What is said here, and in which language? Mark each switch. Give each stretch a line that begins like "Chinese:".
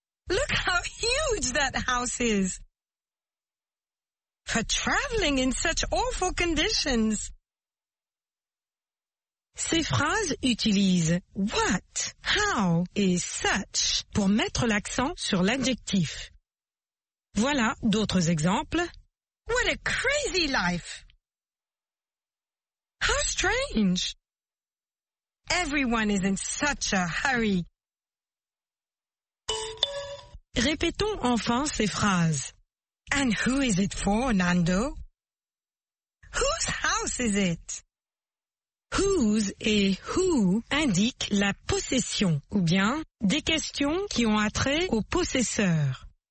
English: Look how huge that house is! For traveling in such awful conditions!
French: Ces phrases utilisent what, how et such pour mettre l'accent sur l'adjectif. Voilà d'autres exemples.
English: What a crazy life! How strange! Everyone is in such a hurry.
French: Répétons enfin ces phrases.
English: And who is it for, Nando? Whose house is it?
French: Whose et who indiquent la possession ou bien des questions qui ont attrait au possesseur.